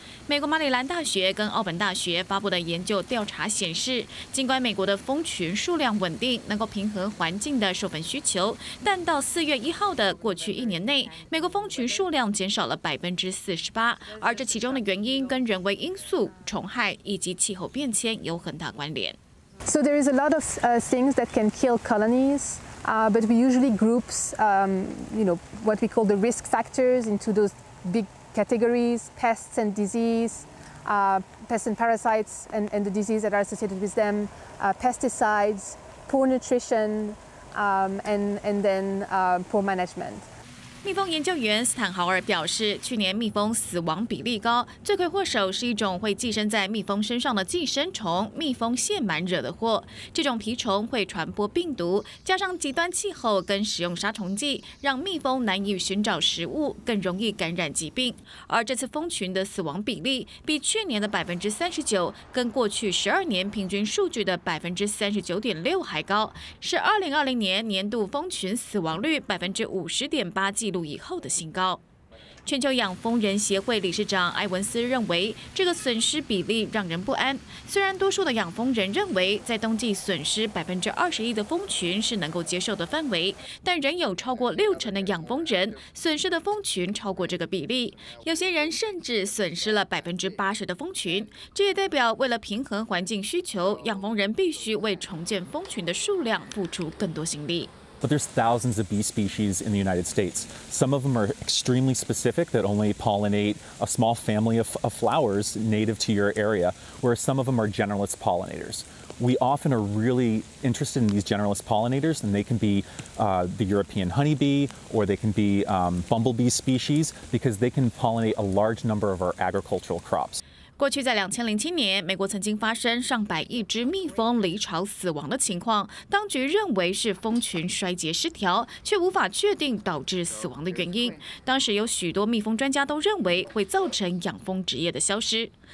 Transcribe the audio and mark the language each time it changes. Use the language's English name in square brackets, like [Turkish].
[Chinese] 美国马里兰大学跟奥本大学发布的研究调查显示，尽管美国的蜂群数量稳定，能够平衡环境的授粉需求，但到4月1号的过去一年内，美国蜂群数量减少了48%，而这其中的原因跟人为因素、虫害以及气候变迁有很大关联。 [English] So there is a lot of things that can kill colonies, but we usually groups, you know, what we call the risk factors into those big. Categories, pests and disease, pests and parasites and the disease that are associated with them, pesticides, poor nutrition, and then poor management. [Chinese] 蜜蜂研究员斯坦豪尔表示，去年蜜蜂死亡比例高，罪魁祸首是一种会寄生在蜜蜂身上的寄生虫——蜜蜂腺螨惹的祸。这种蜱虫会传播病毒，加上极端气候跟使用杀虫剂，让蜜蜂难以寻找食物，更容易感染疾病。而这次蜂群的死亡比例比去年的39%，跟过去12年平均数据的39.6%还高，是2020年年度蜂群死亡率50.8%记录以后的新高。全球养蜂人协会理事长埃文斯认为，这个损失比例让人不安。虽然多数的养蜂人认为，在冬季损失21%的蜂群是能够接受的范围，但仍有超过60%的养蜂人损失的蜂群超过这个比例。有些人甚至损失了80%的蜂群。这也代表，为了平衡环境需求，养蜂人必须为重建蜂群的数量付出更多心力。 [English] But there's thousands of bee species in the United States. Some of them are extremely specific that only pollinate a small family of flowers native to your area, whereas some of them are generalist pollinators. We often are really interested in these generalist pollinators, and they can be the European honeybee or they can be bumblebee species because they can pollinate a large number of our agricultural crops. [Chinese] 过去在2007年，美国曾经发生上百亿只蜜蜂离巢死亡的情况，当局认为是蜂群衰竭失调，却无法确定导致死亡的原因。当时有许多蜜蜂专家都认为会造成养蜂职业的消失。